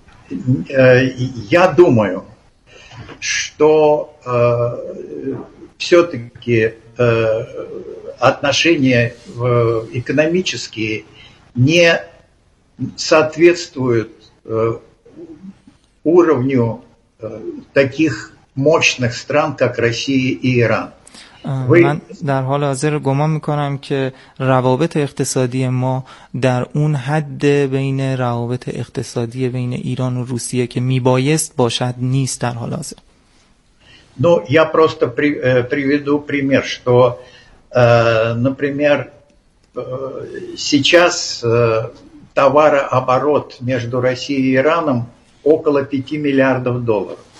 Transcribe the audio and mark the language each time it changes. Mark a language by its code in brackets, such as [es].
[ru] Я думаю, что все-таки отношения экономические не соответствуют уровню таких мощных стран, как Россия и Иран. [fa] من در حال حاضر گمان میکنم که روابط اقتصادی ما در اون حد بین روابط اقتصادی بین ایران و روسیه که میبایست باشد نیست در حال حاضر. [ru] Ну, я просто приведу пример, что например, сейчас товарооборот между Россией и Ираном около 5 миллиардов долларов.